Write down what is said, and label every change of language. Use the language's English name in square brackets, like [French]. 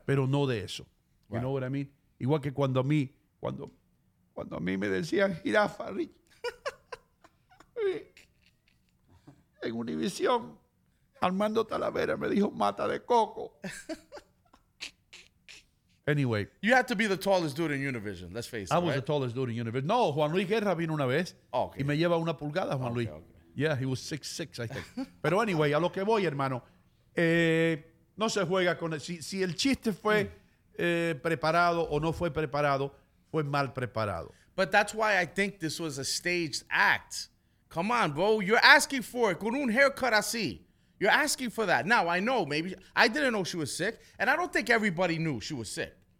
[Spanish] Pero no de eso. [English] Right. You know what I mean? [Spanish] Igual que cuando a mí, cuando a mí me decían jirafa, Rich. En Univisión, Armando Talavera me dijo mata de coco. [English] Anyway. You had to be the tallest dude in Univision, let's face it. I was the tallest dude in Univision. No, Juan Luis Guerra [Spanish] vino una vez. [English] Okay. [Spanish] Y me lleva una pulgada, Juan Luis. [English] Okay. Yeah, he was 6'6", I think. Pero anyway, [Spanish] a lo que voy, hermano. No se juega con eso. Si el chiste fue preparado o no fue preparado, fue mal preparado. [English] But that's why I think this was a staged act. Come on, bro. You're asking for it. [Spanish] Con un haircut así. [English] You're asking for that. Now, I know. Maybe I didn't know she was sick. And I don't think everybody knew she was sick.